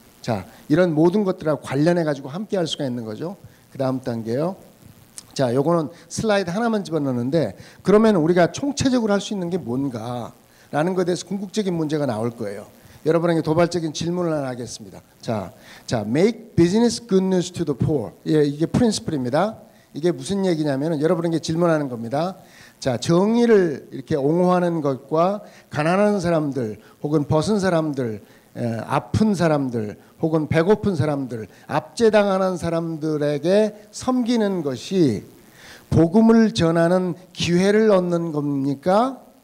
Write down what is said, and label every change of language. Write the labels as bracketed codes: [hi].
[ko] 자, 이런 모든 것들하고 관련해 가지고 함께 할 수가 있는 거죠. 그 다음 단계요. 자, 요거는 슬라이드 하나만 집어넣는데 그러면 우리가 총체적으로 할 수 있는 게 뭔가라는 것에 대해서 궁극적인 문제가 나올 거예요. 여러분에게 도발적인 질문을 하나 하겠습니다. [en] 자, make business good news to the poor. [ko] 예, 이게 프린시플입니다. 이게 무슨 얘기냐면 여러분에게 질문하는 겁니다. 자, 정의를 이렇게 옹호하는 것과 가난한 사람들 혹은 벗은 사람들 아픈 사람들 혹은 배고픈 사람들 압제당하는 사람들에게 섬기는 것이 복음을 전하는 기회를 얻는 겁니까?